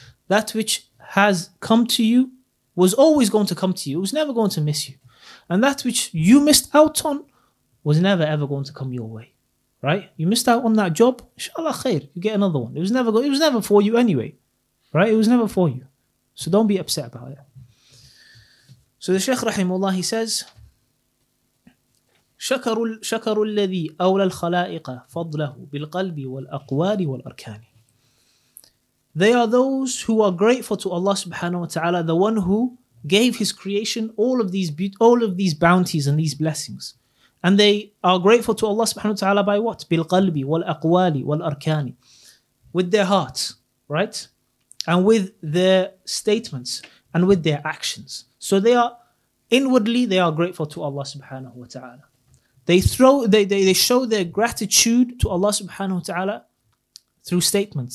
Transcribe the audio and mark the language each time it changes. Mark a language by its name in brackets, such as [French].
[English] That which has come to you was always going to come to you. It was never going to miss you. And that which you missed out on was never ever going to come your way. Right? You missed out on that job, inshallah khair, you get another one. It was never for you anyway. Right? It was never for you. So don't be upset about it. So the Shaykh rahimullah, he says, [Arabic] شكر الذي أولى الخلائق فضله بالقلب والأقوال والأركان. [English] They are those who are grateful to Allah subhanahu wa ta'ala, the one who gave his creation all of these bounties and these blessings. And they are grateful to Allah subhanahu wa ta'ala by what? [Arabic] بالقلب والأقوال والأركان. [English] With their hearts, right? And with their statements and with their actions. So they are, inwardly, they are grateful to Allah subhanahu wa ta'ala. They show their gratitude to Allah subhanahu wa ta'ala through statements.